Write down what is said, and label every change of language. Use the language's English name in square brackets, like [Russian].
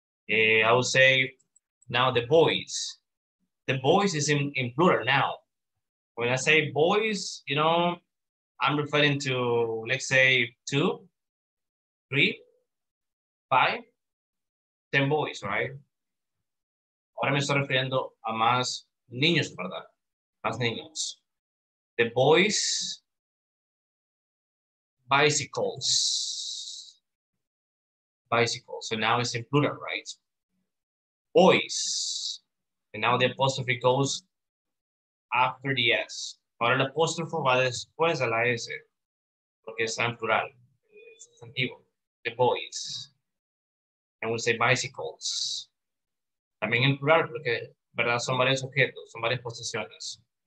[English] I will say, now the boys. The boys is in plural now. When I say boys, you know, I'm referring to, let's say, 2, 3, 5, 10 boys, right? [Spanish] Ahora me estoy refiriendo a más niños, ¿verdad? Más niños. [English] The boys' bicycles. Bicycles. So now it's in plural, right? Boys' And now the apostrophe goes after the S. [Spanish] Ahora el apóstrofo va después a la S, porque está en plural, sustantivo. [English] The boys. And we say bicycles. [Spanish] También en plural, porque, ¿verdad? Son varios objetos, son varias posesiones.